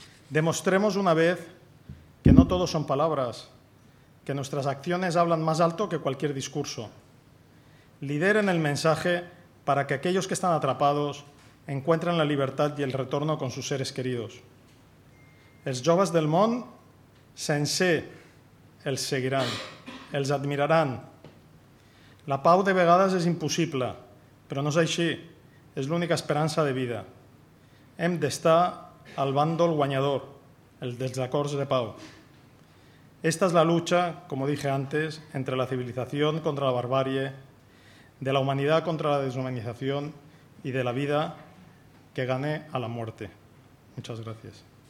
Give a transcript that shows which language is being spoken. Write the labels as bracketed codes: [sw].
[es] Demostremos una vez que no todo son palabras, que nuestras acciones hablan más alto que cualquier discurso. Lideren el mensaje para que aquellos que están atrapados encuentren la libertad y el retorno con sus seres queridos. [ca] Els joves del món sencer els seguiran, els admiraran. La pau de vegades és impossible, però no és així, és l'única esperança de vida. Hem d'estar al bàndol guanyador, el dels acords de pau. [es] Esta es la lucha, como dije antes, entre la civilización contra la barbarie, de la humanidad contra la deshumanización y de la vida que gane a la muerte. Muchas gracias.